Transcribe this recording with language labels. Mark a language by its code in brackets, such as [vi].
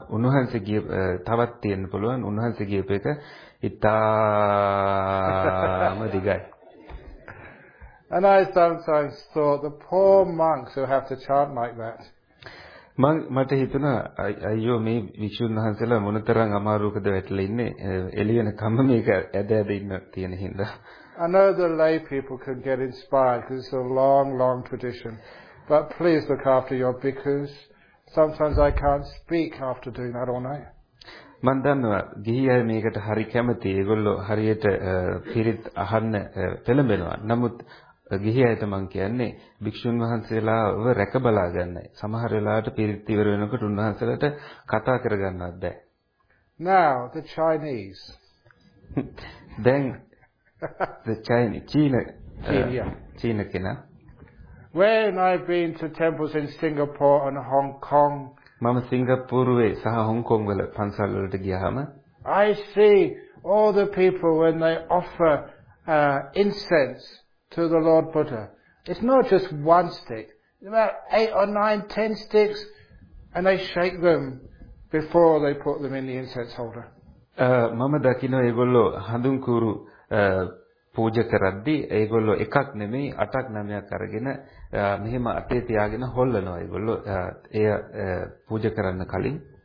[si] උන්වහන්සේගේ තවත් තියෙන්න පුළුවන්, උන්වහන්සේගේ එක ඉතාම දිගයි. [en] And I sometimes thought the poor monks who have to chant like that. [si] මම මට හිතුණා අයියෝ මේ විෂුන් වහන්සේලා මොනතරම් අමාරුකද වැටලා ඉන්නේ එළියන කම මේක ඇද ඇද ඉන්න තියෙන හින්දා. [en] Another lay people can get inspired because it's a long, long tradition. But please look after your bhikkhus. Sometimes I can't speak after doing that all night. [si] මන් දන්නවා ගිහි අය මේකට හරි කැමති, ඒගොල්ලෝ හරියට පිරිත් අහන්න පෙළඹෙනවා. නමුත් ගිහි අයට මං කියන්නේ භික්ෂුන් වහන්සේලාව රැක බලා ගන්නයි. සමහර වෙලාවට පිරිත් ඉවර වෙනකොට උන්වහන්සේලාට කතා කර ගන්නවත් බෑ. [en] Now the Chinese. Then the Chinese. China. China. When I've been to temples in Singapore and Hong Kong. [si] මම සිංගප්පූරුවේ සහ හොංකොං වල පන්සල් වලට ගියාම [en] I see all the people when they offer incense to the Lord Buddha. It's not just one stick. It's about 8 or 9, 10 sticks and they shake them before they put them in the incense holder. [si] මම දකින්න ඒගොල්ලෝ හඳුන් කුරු පූජා කරද්දී ඒගොල්ලෝ එකක් නෙමෙයි 8ක් 9ක් අරගෙන මෙහෙම අතේ තියාගෙන හොල්ලනවා ඒගොල්ලෝ එය පූජා කරන්න කලින්.